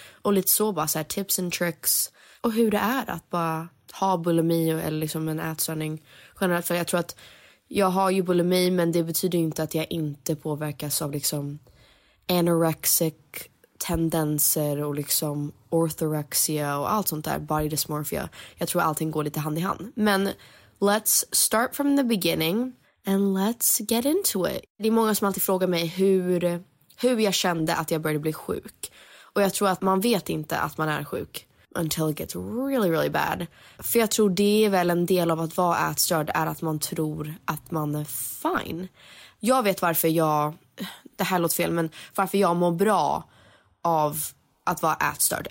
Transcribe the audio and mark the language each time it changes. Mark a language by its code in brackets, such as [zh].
[sv] Och lite så bara så här [en] tips and tricks [sv] och hur det är att bara ha bulimi eller liksom en ätstörning generellt. För jag tror att jag har ju bulimi, men det betyder inte att jag inte påverkas av liksom anorexic tendenser och liksom orthorexia och allt sånt där, body dysmorphia. Jag tror allting går lite hand i hand. Men [en] let's start from the beginning and let's get into it. [sv] Det är många som alltid frågar mig hur jag kände att jag började bli sjuk. Och jag tror att man vet inte att man är sjuk [en] until it gets really, really bad. [sv] För jag tror det är väl en del av att vara ätstörd, är att man tror att man är fine. Jag vet varför jag, det här låter fel, men varför jag mår bra av att vara ätstörd.